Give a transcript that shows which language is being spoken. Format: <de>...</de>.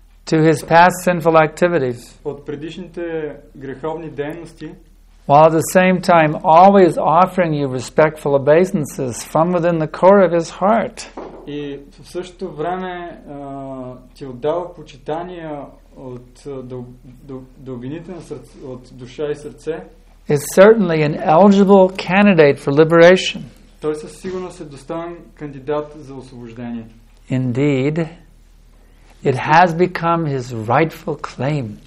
<en>to his past sinful activities.</en> <bg>От предишните греховни дейности.</bg> <en>While at the same time always offering you respectful obeisances from within the core of his heart.</en> <bg>И в същото време ти отдава почитания от дълбините на сърце, от душа и сърце.</bg> <en>Is certainly an eligible candidate for liberation.</en> <bg>Той със сигурност е достоен кандидат за освобождение.</bg> <en>Indeed, it has become his rightful claim.</en>